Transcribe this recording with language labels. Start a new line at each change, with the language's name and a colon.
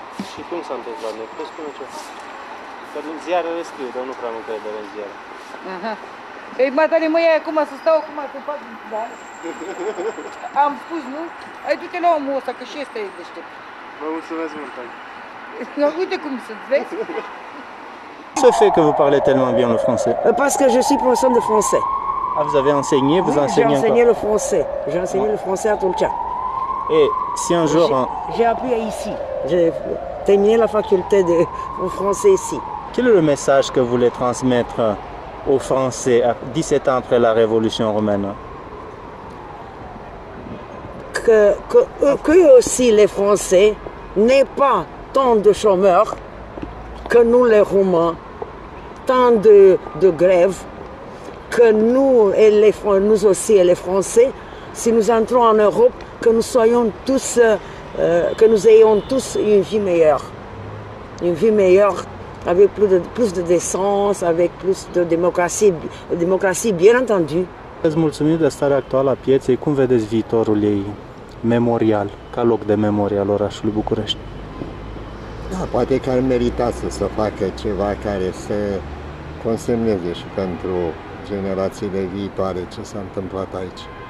Romanian: Și cum s-a întâmplat? Ne puteți spune ceva? Că în ziarele scriu, dar nu prea nu credere în ziare. Aha. Păi, Matale, mă iei acum să stau acum să fac un bar. Am spus, nu? Hai, du-te la omul ăsta, că și ăsta e deștept. Vă mulțumesc mult, Tati. No, uite cum sunt, vezi?
French: Ce fait que vous parlez tellement bien le français? Parce que je suis professeur de français. Ah, vous avez enseigné, vous oui, enseignez encore? J'ai enseigné le français. J'ai enseigné le français à Tolcha. Et si un jour... J'ai appris ici. J'ai terminé la faculté de français ici. Quel est le message que vous voulez transmettre aux Français, 17 ans après la Révolution romaine? Que aussi les Français n'aient pas tant de chômeurs que nous les Romains, tant de grèves, que nous, et les, nous aussi et les Français, si nous entrons en Europe, que nous soyons tous, que nous ayons tous une vie meilleure. Une vie meilleure. Avec plus de décence, avec plus de démocratie, bien entendu. Vous êtes
Romanian: mulțumit de starea actuală a pieței. Cum vedeți viitorul ei memorial, ca loc de memorial al orașului București? Da, poate că ar merita să facă ceva care să consemneze și pentru generațiile viitoare ce s-a întâmplat aici.